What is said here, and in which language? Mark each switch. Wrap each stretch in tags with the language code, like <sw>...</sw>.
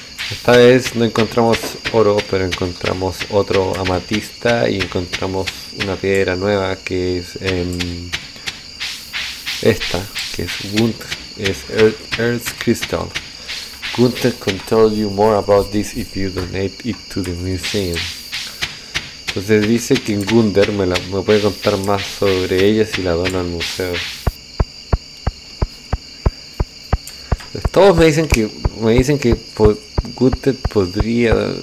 <es>Esta vez no encontramos oro, pero encontramos otro amatista y encontramos una piedra nueva, que es esta, que es Gunt, es Earth Crystal.</es> <en>Gunther can tell you more about this if you donate it to the museum.</en> <es>Entonces dice que Gunther me puede contar más sobre ella si la dono al museo. Pues todos me dicen que Gunther podría.</es>